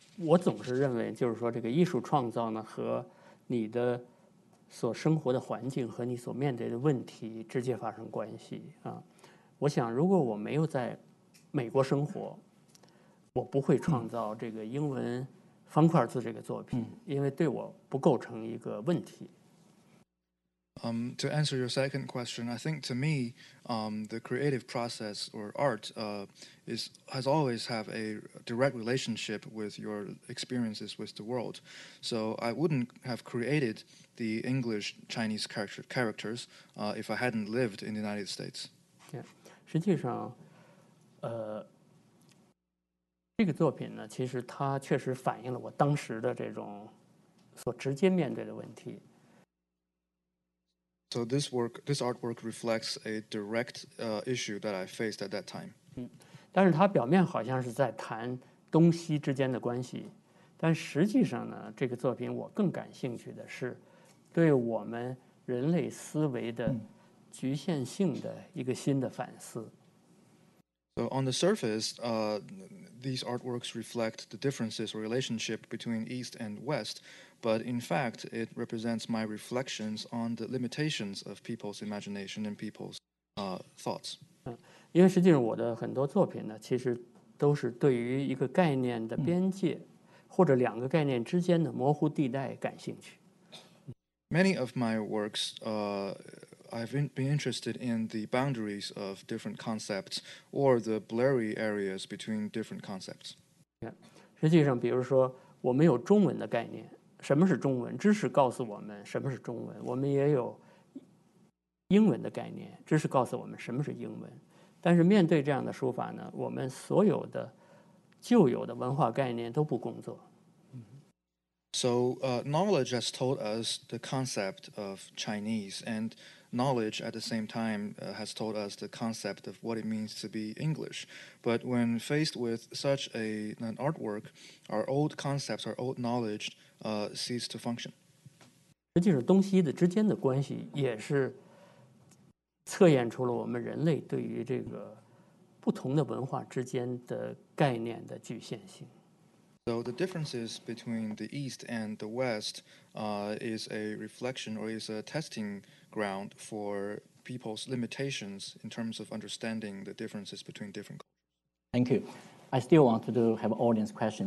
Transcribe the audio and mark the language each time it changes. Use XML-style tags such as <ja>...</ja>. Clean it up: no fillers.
<zh>我总是认为，就是说这个艺术创造呢，和你的所生活的环境和你所面对的问题直接发生关系啊。我想，如果我没有在美国生活，我不会创造这个英文方块字这个作品，因为对我不构成一个问题。</zh> <en>To answer your second question, I think to me, the creative process or art has always have a direct relationship with your experiences with the world. So I wouldn't have created the English Chinese characters if I hadn't lived in the United States.</en> <zh>Yeah, 实际上，这个作品呢，其实它确实反映了我当时的这种所直接面对的问题。</zh> <en>So this work, this artwork reflects a direct issue that I faced at that time.</en> <zh>但是它表面好像是在谈东西之间的关系，但实际上呢，这个作品我更感兴趣的是对我们人类思维的局限性的一个新的反思。</zh> <en>So on the surface, these artworks reflect the differences or relationship between East and West. But in fact, it represents my reflections on the limitations of people's imagination and people's thoughts.</en> <zh>因为实际上我的很多作品呢，其实都是对于一个概念的边界，或者两个概念之间的模糊地带感兴趣。</zh> <en>Many of my works, I've been interested in the boundaries of different concepts or the blurry areas between different concepts.</en> <zh>实际上，比如说我们有中文的概念。什么是中文？知识告诉我们什么是中文。我们也有英文的概念，知识告诉我们什么是英文。但是面对这样的书法呢，我们所有的旧有的文化概念都不工作。</zh> <en>So, knowledge has told us the concept of Chinese, and knowledge at the same time, has told us the concept of what it means to be English. But when faced with such an artwork, our old concepts, our old knowledge,cease to function.</en> <zh>实际上东西的之间的关系也是测验出了我们人类对于这个不同的文化之间的概念的局限性。</zh> <en>So the differences between the East and the West, is a reflection or is a testing ground for people's limitations in terms of understanding the differences between different cultures. Thank you. I still want to have an audience question.</en>